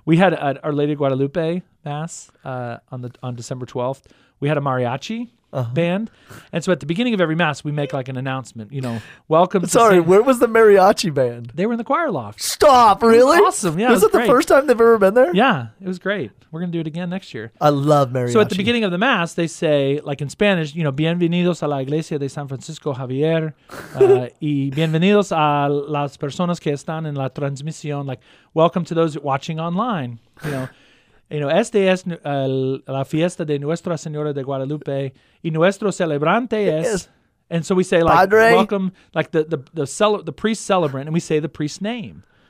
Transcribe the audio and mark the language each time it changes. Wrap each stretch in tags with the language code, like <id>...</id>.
<en>We had Our Lady of Guadalupe Mass on December 12th. We had a mariachi band. And so at the beginning of every Mass, we make like an announcement, you know, welcome to Where was the mariachi band? They were in the choir loft. Stop, really? It was awesome, yeah. Was it the first time they've ever been there? Yeah, it was great. We're going to do it again next year. I love mariachi. So at the beginning of the Mass, they say, like in Spanish, you know,</en> <es>bienvenidos a la iglesia de San Francisco Javier y bienvenidos a las personas que están en la transmisión.</es> <en>Like, welcome to those watching online, you know. You know,</en> <es>esta es la fiesta de Nuestra Señora de Guadalupe y nuestro celebrante es.</es> <en>And so we say, like,</en> <es>Padre.</es> <en>Welcome, like the priest celebrant, and we say the priest's name.</en>